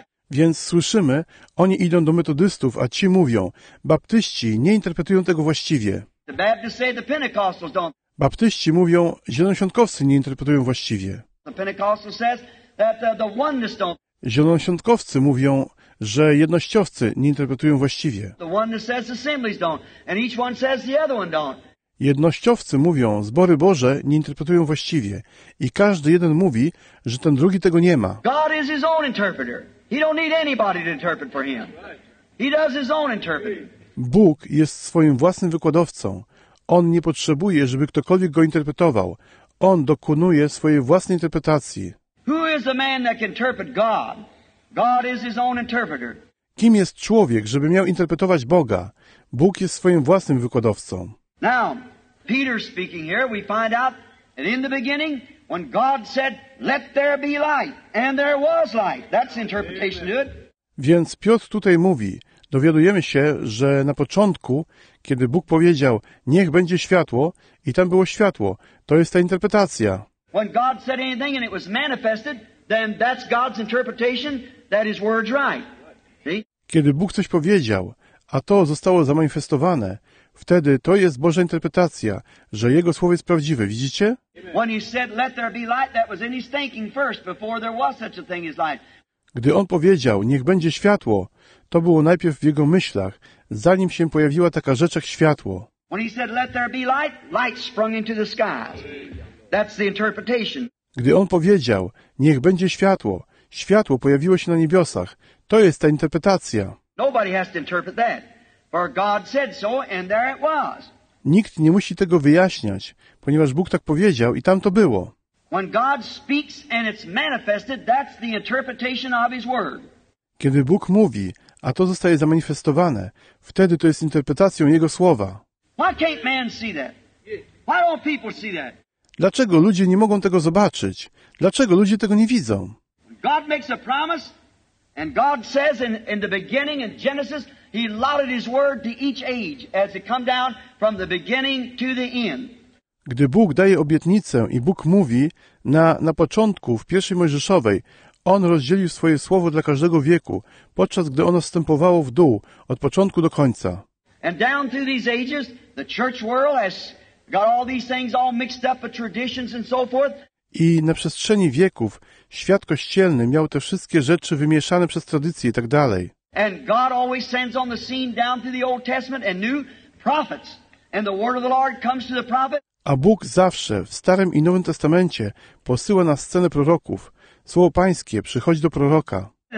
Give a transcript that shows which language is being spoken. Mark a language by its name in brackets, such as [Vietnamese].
[Polish] Więc słyszymy, oni idą do metodystów, a ci mówią, baptyści nie interpretują tego właściwie. [English] The Baptists say the Pentecostals don't. [Polish] Baptyści mówią, zielonoświątkowcy nie interpretują właściwie. [English] The Pentecostals says, that the oneness don't. [Polish] Zielonoświątkowcy mówią, że jednościowcy nie interpretują właściwie. [English] The oneness says assemblies don't, and each one says the other one don't. [Polish] Jednościowcy mówią, zbory Boże nie interpretują właściwie, i każdy jeden mówi, że ten drugi tego nie ma. [English] God is his own interpreter. He don't need anybody to interpret for him. He does his own interpreting. [Polish] Bóg jest swoim własnym wykładowcą. On nie potrzebuje, żeby ktokolwiek go interpretował. On dokonuje swojej własnej interpretacji. [English] Who is the man that can interpret God? God is his own interpreter. [Polish] Kim jest człowiek, żeby miał interpretować Boga? Bóg jest swoim własnym wykładowcą. [English] Now, Peter speaking here, we find out that in the beginning, when God said, "Let there be light," and there was light. That's interpretation to it. [Polish] Więc Piotr tutaj mówi, dowiadujemy się, że na początku, kiedy Bóg powiedział, niech będzie światło, i tam było światło. To jest ta interpretacja. [English] When God said anything and it was manifested, then that's God's interpretation, that His word's right. See? [Polish] Kiedy Bóg coś powiedział, a to zostało zamanifestowane, wtedy to jest Boża interpretacja, że Jego Słowo jest prawdziwe. Widzicie? [English] When He said, let there be light, that was in His thinking first, before there was such a thing as light. [Polish] Gdy On powiedział, niech będzie światło, to było najpierw w Jego myślach, zanim się pojawiła taka rzecz jak światło. [English] When He said, let there be light, light sprung into the skies. That's the interpretation. [Polish] Gdy On powiedział, niech będzie światło, światło pojawiło się na niebiosach. To jest ta interpretacja. [English] Nobody has to interpret that, for God said so, and there it was. [Polish] Nikt nie musi tego wyjaśniać, ponieważ Bóg tak powiedział i tam to było. [English] When God speaks and it's manifested, that's the interpretation of His word. [Polish] Kiedy Bóg mówi, a to zostaje zamanifestowane, wtedy to jest interpretacją Jego słowa. [English] Why can't man see that? Why don't people see that? [Polish] Dlaczego ludzie nie mogą tego zobaczyć? Dlaczego ludzie tego nie widzą? [English] God makes a promise, and God says in the beginning in Genesis, He allotted His word to each age as it come down from the beginning to the end. [Polish] Gdy Bóg daje obietnicę i Bóg mówi, na początku, w pierwszej Mojżeszowej, On rozdzielił swoje słowo dla każdego wieku, podczas gdy ono wstępowało w dół, od początku do końca. [English] And down through these ages, the church world has got all these things all mixed up with traditions and so forth. [Polish] I na przestrzeni wieków świat kościelny miał te wszystkie rzeczy wymieszane przez tradycje i tak dalej. [English] And God always sends on the scene down through the Old Testament and new prophets. And the word of the Lord comes to the prophet. [Polish] A Bóg zawsze w Starym i Nowym Testamencie posyła na scenę proroków. Słowo Pańskie przychodzi do proroka.